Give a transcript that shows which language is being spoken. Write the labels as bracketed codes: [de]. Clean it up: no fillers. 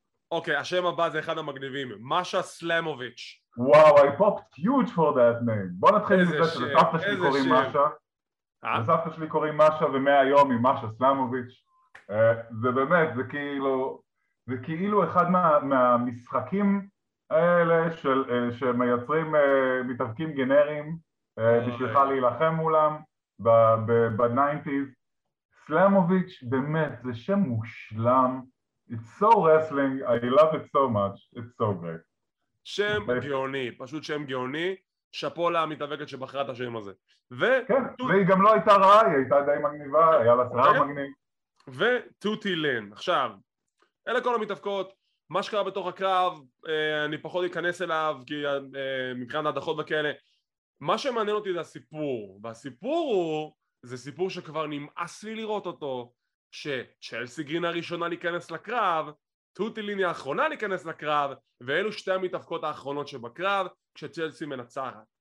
[he] אוקיי, השם הבא זה אחד המגניבים, משה סלמוביץ'. [en] וואו, I popped huge for that name. [he] בוא נתחיל מזה שלסבתא שלי קוראים משה. לסבתא שלי קוראים משה ומהיום היא משה סלמוביץ'. זה באמת, זה כאילו, זה כאילו אחד מהמשחקים האלה של, שמייצרים מתאבקים גנריים בשבילך להילחם מולם ב-90s. סלמוביץ' באמת, זה שם מושלם. [en] It's so wrestling, I love it so much, it's so great. [he] שם גאוני, פשוט שם גאוני, שפו לה המתאבקת שבחרה את השם הזה. ו... כן, טוט... והיא גם לא הייתה רעה, היא הייתה די מגניבה, היה לה סרט מגניב. וטוטי לין, עכשיו, אלה כל המתאבקות, מה שקרה בתוך הקרב, אני פחות אכנס אליו, כי מבחינת הדחות וכאלה, מה שמעניין אותי זה הסיפור, והסיפור הוא, זה סיפור שכבר נמאס לי לראות אותו, שצ'לסי גרין הראשונה להיכנס לקרב, טוטי לין היא האחרונה להיכנס לקרב, ואלו שתי המתאבקות האחרונות שבקרב, כשצ'לסי מנצחת.